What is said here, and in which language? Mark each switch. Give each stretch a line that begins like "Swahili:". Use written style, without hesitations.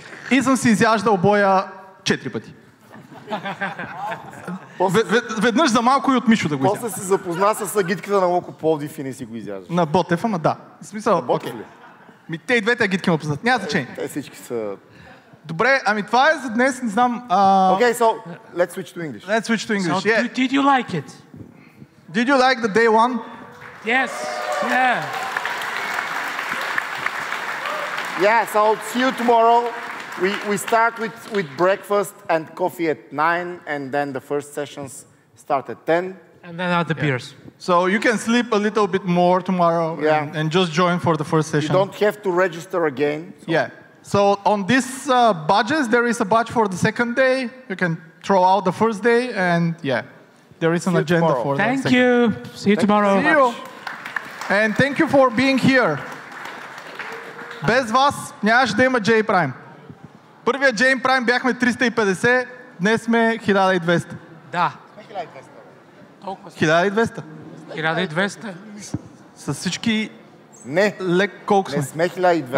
Bulgarian: И съм си изяждал боя 4 пъти. Веднъж за малко и от Мишо да го изяждам. После си запозна с агитката на Локо Пловдив и не си го изяждаш. На Ботев, ама да. В смисъл, окей. Ми, те и двете агитки ме познат. Няма значение. Те всички са... Добре, ами това е за днес, не знам...
English: Okay, so let's switch to English. Let's switch to English, so, Did you like it? Did you like the day one? Yes, yeah. Yeah, so see you tomorrow. We start with breakfast and coffee at 9, and then the first sessions start at 10. And then other beers. So you can sleep a little bit more tomorrow and just join for the first session. You don't have to register again. So. Yeah. So on this badges, there is a badge for the second day. You can throw out the first day and there is an agenda tomorrow. For thank the you. Second. Thank you. See you tomorrow. See you. And thank you for being here.
Bulgarian: Без вас нямаше да има J Prime. Първия J Prime бяхме 350, днес сме 1200. Да. 1200. 1200. С всички... Не. Лек, колко сме? Не сме 1200.